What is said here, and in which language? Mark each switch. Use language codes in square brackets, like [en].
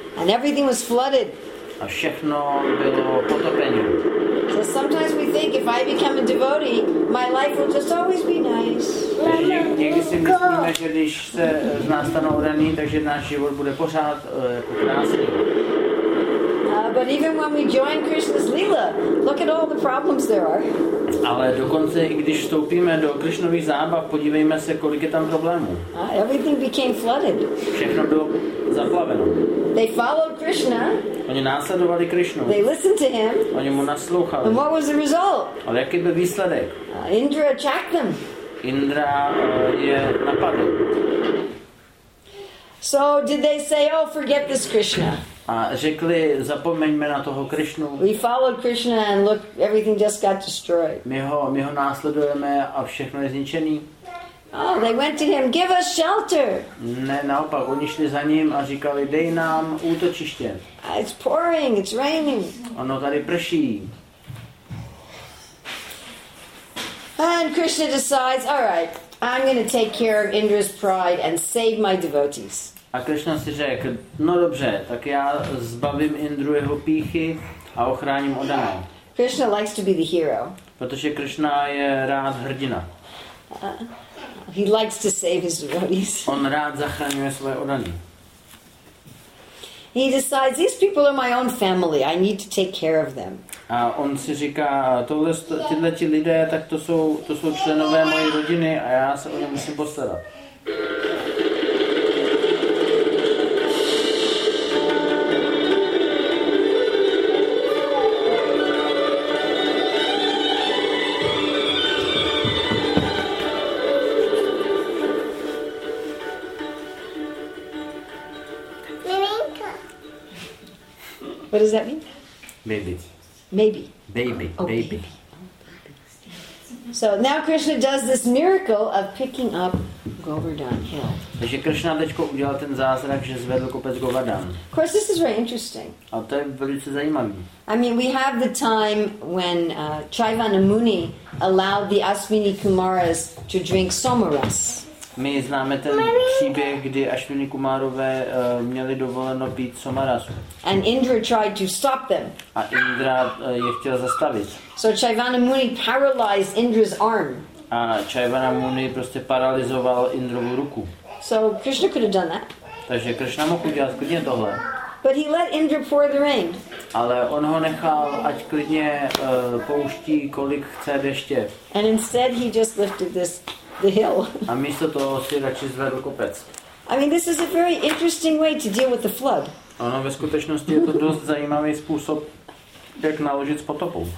[en] And everything was flooded. [cs] A všechno bylo potopeno. [en] So sometimes we think if I become a devotee, my life will just always be nice. [cs] Někdy si myslíme, že když se z nás stanou oddaní, takže náš život bude pořád jako krásný. [en] But even when we join Krishna's Leela, look at all the problems there are. [cs] Ale dokonce i když vstoupíme do Krishnovy zábav, podívejme se, kolik je tam problémů. [en] Everything became flooded. [cs] Všechno bylo zaplaveno. [en] They followed Krishna. [cs] Oni následovali Krishnu. [en] They listened to him. [cs] Oni mu naslouchali. [en] And what was the result? [cs] Ale jaký byl výsledek? [en] Indra attacked them. [cs] Indra je napadl. [en] So did they say, "Oh, forget this Krishna"? [cs] A řekli, zapomeňme na toho Krishnu. [en] We followed Krishna and look, everything just got destroyed. [cs] My ho následujeme a všechno je zničený. [en] Oh, they went to him, give us shelter. [cs] Ne, naopak, oni šli za ním a říkali, dej nám útočiště. [en] It's pouring, it's raining. [cs] Ono tady prší. [en] And Krishna decides, all right, I'm going to take care of Indra's pride and save my devotees. [cs] A Krishna si řekl, no dobře, tak já zbavím Indru jeho pýchy a ochráním oddané. [en] Krishna likes to be the hero. [cs] Protože Krishna je rád hrdina. [en] He likes to save his devotees. [cs] On rád zachraňuje svoje oddané. [en] He decides, these people are my own family, I need to take care of them. [cs] A on si říká, tyhle ti lidé, tak to jsou členové mojej rodiny a já se o ně musím postarat. [en] What does that mean? Maybe. Maybe. Baby. Oh, baby. Baby. So now Krishna does this miracle of picking up Govardhan Hill. [cs] Takže Krishna teďko udělal ten zázrak, že zvedl kopec Govardhan. [en] Of course, this is very interesting. [cs] A to je velice zajímavý. [en] I mean, we have the time when Chaivanamuni allowed the Aswini Kumaras to drink Somaras. [cs] My známe ten příběh, kdy Ashwini Kumárové měli dovoleno být Somarasu. [en] And Indra tried to stop them. [cs] A Indra je chtěl zastavit. [en] So Chaivanamuni paralyzed Indra's arm. [cs] A Chaivanamuni prostě paralyzoval Indrovu ruku. [en] So Krishna could have done that. [cs] Takže Krishna mohl udělat klidně tohle. [en] But he let Indra pour the rain. [cs] Ale on ho nechal, ať klidně pouští, kolik chce deště. [en] And instead he just lifted this the hill. [cs] A místo toho si radši zvedl kopec. [en] I mean, this is a very interesting way to deal with the flood. [cs] Ono ve skutečnosti je to dost zajímavý způsob, jak naložit s potopou.